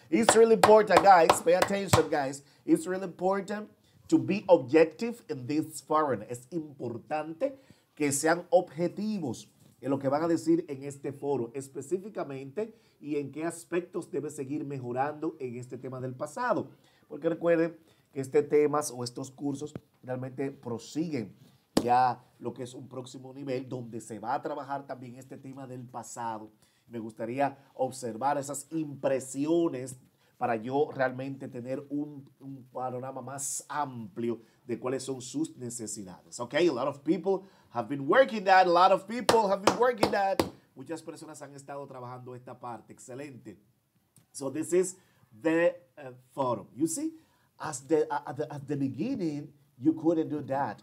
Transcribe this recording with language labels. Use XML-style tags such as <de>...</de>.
<en>It's really important, guys, pay attention, guys, it's really important to be objective in this forum.</en> <es>Es importante que sean objetivos en lo que van a decir en este foro específicamente y en qué aspectos debe seguir mejorando en este tema del pasado. Porque recuerden que este tema o estos cursos realmente prosiguen ya lo que es un próximo nivel donde se va a trabajar también este tema del pasado. Me gustaría observar esas impresiones para yo realmente tener un panorama más amplio de cuáles son sus necesidades.</es> <en>Okay, a lot of people have been working that. A lot of people have been working that.</en> <es>Muchas personas han estado trabajando esta parte. Excelente.</es> <en>So this is the forum. You see, at the beginning, you couldn't do that.</en>